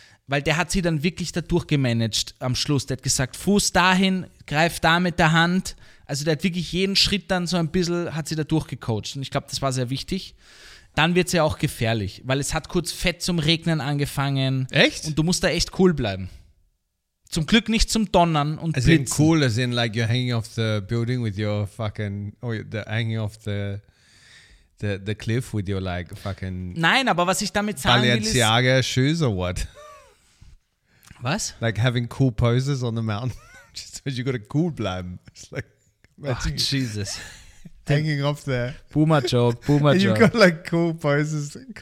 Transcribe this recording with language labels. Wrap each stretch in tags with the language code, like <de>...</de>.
<de>Weil der hat sie dann wirklich da durchgemanagt am Schluss. Der hat gesagt, Fuß dahin, greif da mit der Hand. Also der hat wirklich jeden Schritt dann so ein bisschen, hat sie da durchgecoacht. Und ich glaube, das war sehr wichtig. Dann wird es ja auch gefährlich, weil es hat kurz fett zum Regnen angefangen. Echt? Und du musst da echt cool bleiben. Zum Glück nicht zum Donnern und</de> <en>as</en> <de>Blitzen.</de> <en>As in cool, as in like you're hanging off the building with your fucking, or the hanging off the cliff with your like fucking...</en> <de>Nein, aber was ich damit sagen will ist...</de> <en>Balenciaga shoes or what?</en> <de>Was?</de> <en>Like having cool poses on the mountain. Just because you gotta</en> <de>cool bleiben.</de> <en>It's like... Oh, Jesus. Hanging off there. Boomer joke. And you've got like cool poses...</en>